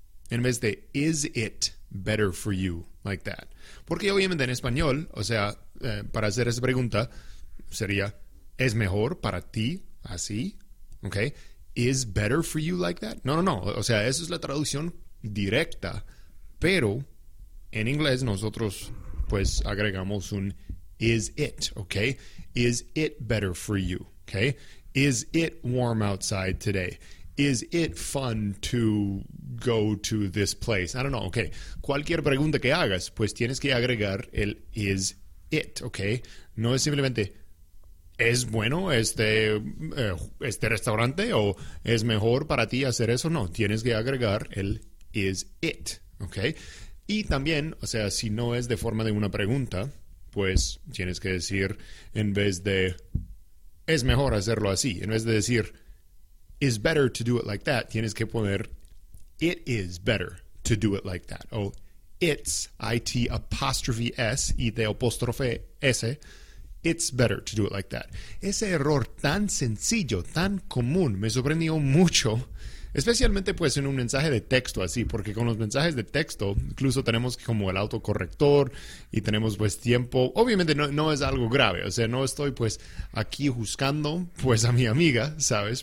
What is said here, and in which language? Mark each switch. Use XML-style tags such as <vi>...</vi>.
<es>En vez de,</es> <en>is it better for you like that?</en> <es>Porque obviamente en español, o sea, para hacer esa pregunta, sería, ¿es mejor para ti así?</es> <en>¿Ok? ¿Is better for you like that? No.</en> <es>O sea, esa es la traducción directa. Pero en inglés nosotros, pues, agregamos un</es> <en>is it,</en> <es>¿ok?</es> <en>¿Is it better for you? ¿Ok? ¿Is it warm outside today? Is it fun to go to this place? I don't know. Okay.</en> <es>Cualquier pregunta que hagas, pues tienes que agregar el</es> <en>is it, okay?</en> <es>No es simplemente ¿es bueno este restaurante o es mejor para ti hacer eso? No, tienes que agregar el</es> <en>is it, okay?</en> <es>Y también, o sea, si no es de forma de una pregunta, pues tienes que decir en vez de es mejor hacerlo así, en vez de decir</es> <en>is better to do it like that,</en> <es>tienes que poner</es> <en>it is better to do it like that. It's, it apostrophe s</en> <es>y de</es> <en>apostrophe s, it's better to do it like that.</en> <es>Ese error tan sencillo, tan común, me sorprendió mucho, especialmente pues en un mensaje de texto así, porque con los mensajes de texto incluso tenemos como el autocorrector y tenemos pues tiempo. Obviamente no es algo grave, o sea, no estoy pues aquí juzgando pues a mi amiga, ¿sabes?</es>